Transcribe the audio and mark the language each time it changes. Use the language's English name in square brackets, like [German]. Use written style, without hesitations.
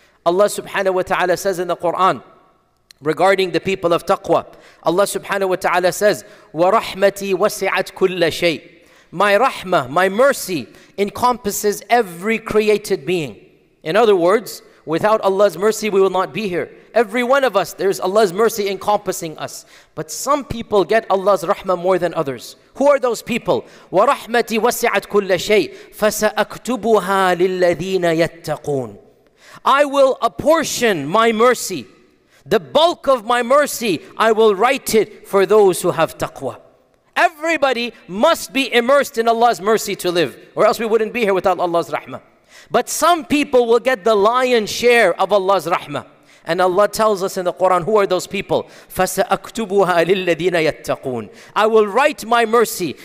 [English] Allah subhanahu wa ta'ala says in the Quran, regarding the people of taqwa, Allah subhanahu wa ta'ala says, [Arabic] وَرَحْمَتِي وَسِعَتْ كُلَّ شَيْءٍ. [English] My rahmah, my mercy, encompasses every created being. In other words, Without Allah's mercy, we will not be here. Every one of us, there's Allah's mercy encompassing us. But some people get Allah's rahmah more than others. Who are those people? [Arabic] وَرَحْمَتِي وَسِعَتْ كُلَّ شَيْءٍ فَسَأَكْتُبُهَا لِلَّذِينَ يَتَّقُونَ [English] I will apportion my mercy. The bulk of my mercy, I will write it for those who have taqwa. Everybody must be immersed in Allah's mercy to live, or else we wouldn't be here without Allah's rahmah. But some people will get the lion's share of Allah's rahmah. And Allah tells us in the Quran, who are those people? [Arabic] فَسَأَكْتُبُهَا لِلَّذِينَ يَتَّقُونَ [English] I will write my mercy.